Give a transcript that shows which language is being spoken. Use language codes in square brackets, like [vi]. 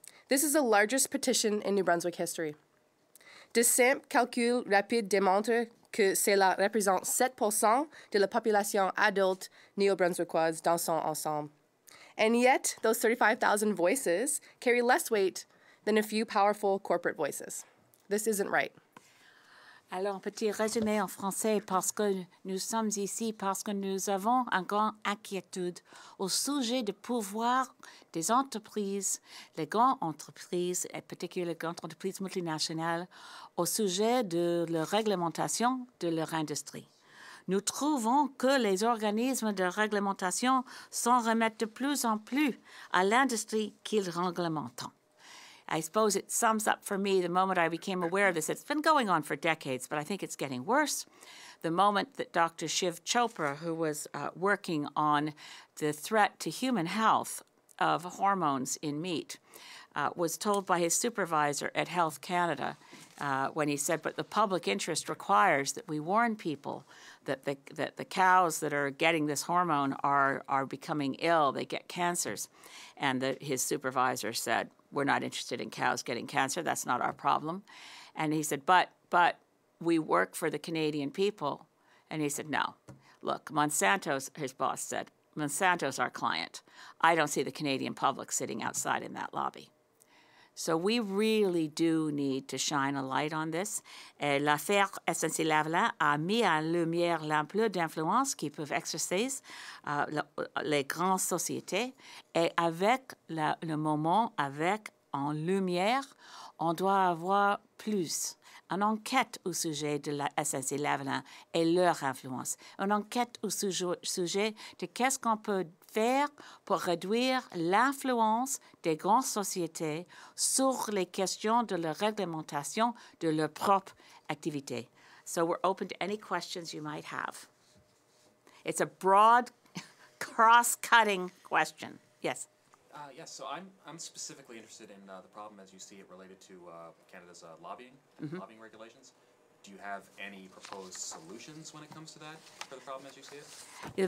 [en] This is the largest petition in New Brunswick history. [fr] De simples calculs rapides démontrent que cela représente 7% de la population adulte néo-brunswickoise dans son ensemble. [en] And yet, those 35,000 voices carry less weight than a few powerful corporate voices. This isn't right. [fr] Alors, petit résumé en français, parce que nous sommes ici, parce que nous avons une grande inquiétude au sujet du pouvoir des entreprises, les grandes entreprises, et particulièrement les grandes entreprises multinationales, au sujet de la réglementation de leur industrie. Nous trouvons que les organismes de réglementation s'en remettent de plus en plus à l'industrie qu'ils réglementent. [en] I suppose it sums up for me the moment I became aware of this. It's been going on for decades, but I think it's getting worse. The moment that Dr. Shiv Chopra, who was working on the threat to human health of hormones in meat, was told by his supervisor at Health Canada when he said, but the public interest requires that we warn people that the cows that are getting this hormone are becoming ill, they get cancers. And his supervisor said, we're not interested in cows getting cancer. That's not our problem. And he said, but we work for the Canadian people. And he said, no. Look, Monsanto's, his boss said, Monsanto's our client. I don't see the Canadian public sitting outside in that lobby. So we really do need to shine a light on this. [fr] L'affaire SNC-Lavalin a mis en lumière l'ampleur d'influence qui peuvent exercer les grandes sociétés. Et avec le moment, avec en lumière, on doit avoir plus. Une enquête au sujet de la SNC-Lavalin et leur influence. Une enquête au sujet de qu'est-ce qu'on peut faire pour réduire l'influence des grandes sociétés sur les questions de la réglementation de leur propre activité. [en] So we're open to any questions you might have. It's a broad, cross-cutting question. Yes. So I'm specifically interested in the problem as you see it related to Canada's lobbying, mm-hmm. lobbying regulations. Do you have any proposed solutions when it comes to that for the problem as you see it?